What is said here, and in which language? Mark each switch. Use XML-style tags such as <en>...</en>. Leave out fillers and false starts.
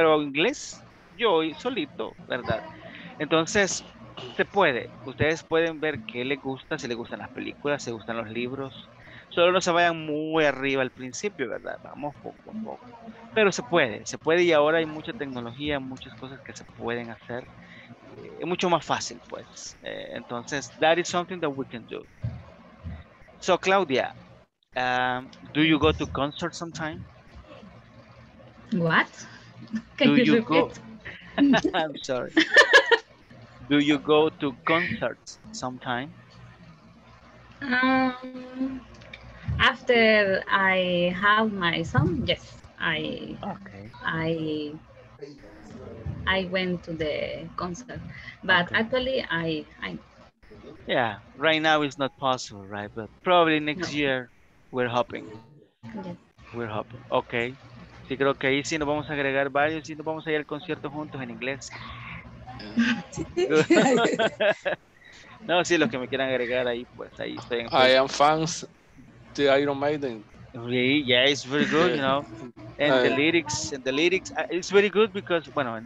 <es>Pero inglés, yo solito, ¿verdad? Entonces, se puede. Ustedes pueden ver qué les gusta, si les gustan las películas, si les gustan los libros. Solo no se vayan muy arriba al principio, ¿verdad? Vamos poco a poco. Pero se puede y ahora hay mucha tecnología, muchas cosas que se pueden hacer. Es mucho más fácil, pues. Entonces,</es> <en>that is something that we can do. So, Claudia, do you go to concerts sometime? What? Can do you go? I'm sorry. Do you go to concerts sometime? After I have my son, yes, I went to the concert, but actually I. Yeah, right now it's not possible, right? But probably next year, we're hoping. Yes. We're hoping. Okay.</en> <es>Sí, creo que ahí sí nos vamos a agregar varios y nos vamos a ir al concierto juntos en inglés. No, sí, los que me quieran agregar ahí, pues ahí estoy. En</es> <en>I am fans. The Iron Maiden. Really? Yeah, it's very good, you know. And the lyrics, it's very good because, bueno.</en>